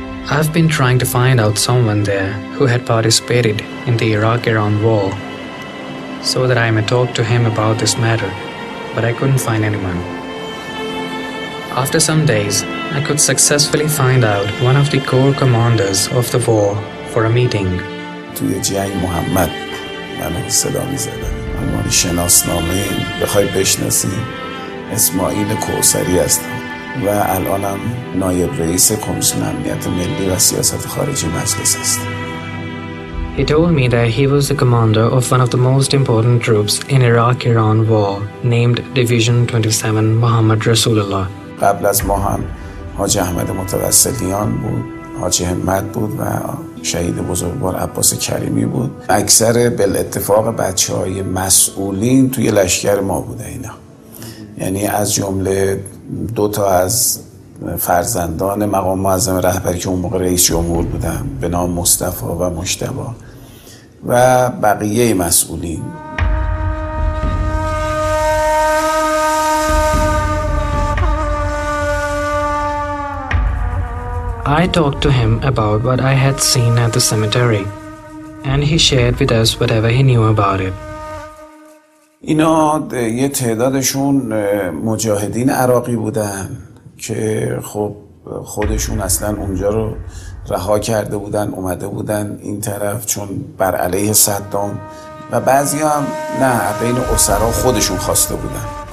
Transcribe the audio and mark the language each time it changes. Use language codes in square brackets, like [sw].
[en] I've been trying to find out someone there who had participated in the Iraq-Iran war, so that I may talk to him about this matter. But I couldn't find anyone. After some days, I could successfully find out one of the core commanders of the war for a meeting. [fa] توی جنگ محمد من صدا می زدن. من مانی شناسنامه بخوای بشناسی اسماعیل کوثری هستم و الانم نایب رئیس کمیسیون امنیت ملی و سیاست خارجی مجلس هستم. [en] He told me that he was the commander of one of the most important troops in Iraq-Iran war named Division 27 Muhammad Rasulullah. [fa] قبل از ما هم حاجی احمد متوسلیان بود، حاجی همت بود و شهید بزرگوار عباس کریمی بود. اکثر بالاتفاق بچه‌های مسئولین توی لشکر ما بوده اینا. یعنی از جمله دو تا از فرزندان مقام معظم رهبری که اون موقع رئیس جمهور بودن به نام مصطفی و مجتبی و بقیه مسئولین. [en] I talked to him about what I had seen at the cemetery and he shared with us whatever he knew about it. [fa] اینا یه تعدادشون مجاهدین عراقی بودن که خب خودشون اصلا اونجا رو رها کرده بودن، اومده بودن این طرف چون بر علیه صدام، و بعضی هم نه، بین اسرا خودشون خواسته بودن.